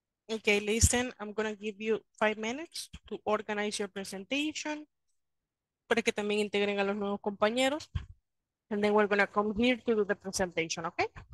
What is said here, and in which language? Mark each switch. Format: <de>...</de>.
<en>Okay, listen, I'm going to give you 5 minutes to organize your presentation.</en> <es>Para que también integren a los nuevos compañeros.</es> <en>And then we're going to come here to do the presentation, okay?</en>